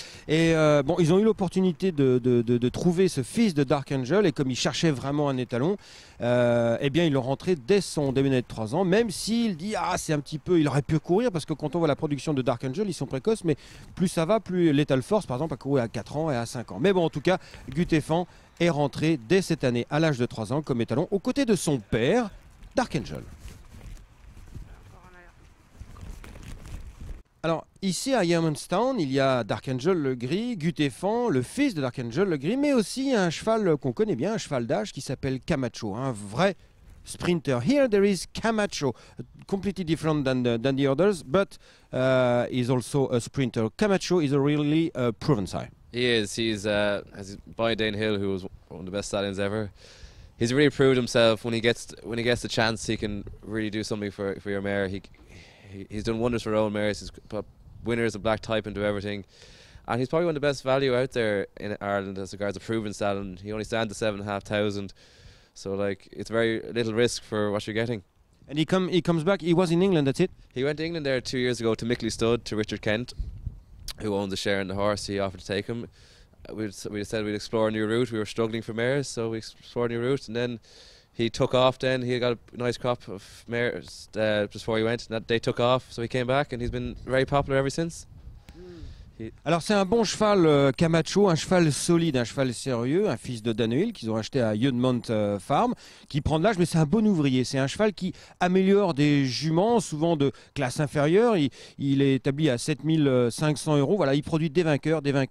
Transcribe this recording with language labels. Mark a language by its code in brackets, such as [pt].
[fr] Et bon, ils ont eu l'opportunité de trouver ce fils de Dark Angel, et comme ils cherchaient vraiment un étalon, eh bien, ils l'ont rentré dès son début de 3 ans, même s'il dit, ah, c'est un petit peu, il aurait pu courir, parce que quand on voit la production de Dark Angel, ils sont précoces, mais plus ça va, plus Lethal Force, par exemple, a couru à 4 ans et à 5 ans. Mais bon, en tout cas, Gutifan est rentré dès cette année, à l'âge de 3 ans, comme étalon, aux côtés de son père, Dark Angel. Alors, ici à Yeomanstown, il y a Dark Angel le Gris, Gutefan, le fils de Dark Angel le Gris, mais aussi un cheval qu'on connaît bien, un cheval d'âge qui s'appelle Camacho, un vrai sprinter. [en] Here there is Camacho, completely different than the others, but he's also a sprinter. Camacho is a really proven sire. He is. He's as Boy Dane Hill, who was one of the best stallions ever. He's really proved himself. When he gets the chance, he can really do something for your mare. He's done wonders for Owen Mares. He's put winners of Black Type into everything, and he's probably one of the best value out there in Ireland as regards a proven stallion. He only stands at 7,500, so like it's very little risk for what you're getting. And he comes back. He was in England. That's it. He went to England there 2 years ago to Mickley Stud to Richard Kent, who owns a share in the horse. He offered to take him. We said we'd explore a new route. We were struggling for mares, so we explored a new route, and then he took off. Then he got a nice crop of mares just before he went, and that they took off, so he came back, and he's been very popular ever since. [fr] Alors c'est un bon cheval Camacho, un cheval solide, un cheval sérieux, un fils de Dan Hill qu'ils ont acheté à Yeudmont Farm, qui prend de l'âge, mais c'est un bon ouvrier. C'est un cheval qui améliore des juments, souvent de classe inférieure. Il est établi à 7500 euros. Voilà, il produit des vainqueurs.